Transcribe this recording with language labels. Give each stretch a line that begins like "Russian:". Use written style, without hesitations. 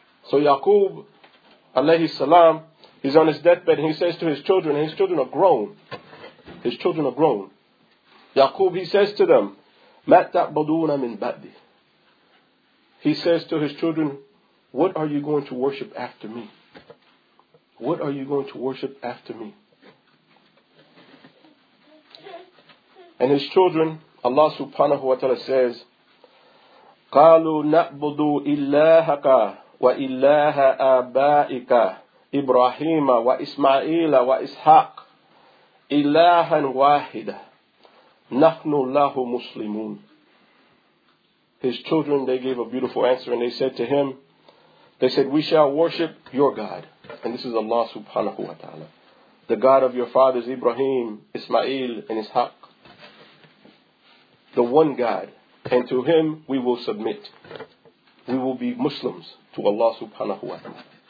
English: So Yaqub alayhi salam, he's on his deathbed and he says to his children, and his children are grown. His children are grown. Yaqub, he says to them,
Arabic: مَا تَعْبَدُونَ مِنْ بَعْدِ.
English: He says to his children, what are you going to worship after me? What are you going to worship after me?
Arabic: And his children, Allah subhanahu wa ta'ala says, قَالُوا نَعْبُدُ إِلَّهَكَ وَإِلَّهَ آبَائِكَ إِبْرَاهِيمَ وَإِسْمَعِيلَ وَإِسْحَاقَ إِلَّهًا وَاحِدًا نَحْنُ لَهُ مُسْلِمُونَ.
English: His children, they gave a beautiful answer, and they said to him, they said, we shall worship your God. And this is Allah subhanahu wa ta'ala, the God of your fathers, Ibrahim, Ismail, and Ishaq, the one God. And to him, we will submit. We will be Muslims to Allah subhanahu wa ta'ala.